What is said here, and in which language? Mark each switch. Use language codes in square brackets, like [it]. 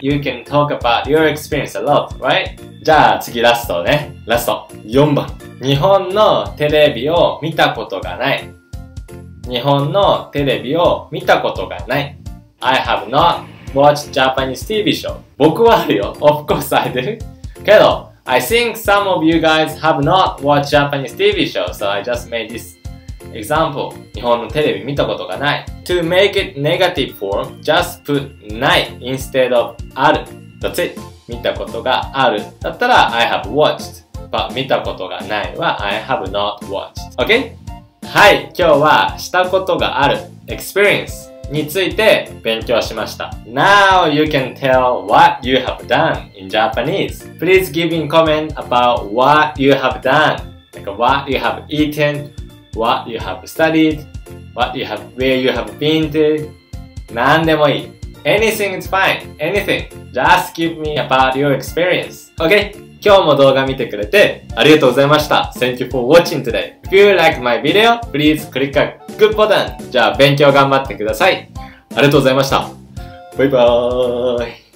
[en] You can talk about your experience a lot, right? [ja] じゃあ次ラストね。ラスト。 4番。日本のテレビを見たことがない。日本のテレビを見たことがない。 [en] I have not watched Japanese TV show. [ja] 僕はあるよ。 [en] Of course I do. けど、I think some of you guys have not watched Japanese TV show, so I just made this. Example, [ja] 日本のテレビ見たことがない。 [en] To make it negative form, just put ない instead of ある。That's it. [ja] 見たことがある。だったら [en] I have watched. But [ja] 見たことがないは [en] I have not watched. Okay? [ja] はい、今日はしたことがある experience について勉強しました。 [en] Now you can tell what you have done in Japanese. Please give me comment about what you have done. Like what you have eaten. What you have studied, what you have, where you have been to, [ja] 何でもいい。 [en] Anything is fine, anything. Just give me about your experience. [ja] Okay, 今日も動画見てくれてありがとうございました。 [en] Thank you for watching today. If you like my video, please click a good button. [ja] じゃあ勉強頑張ってください。ありがとうございました。バイバーイ。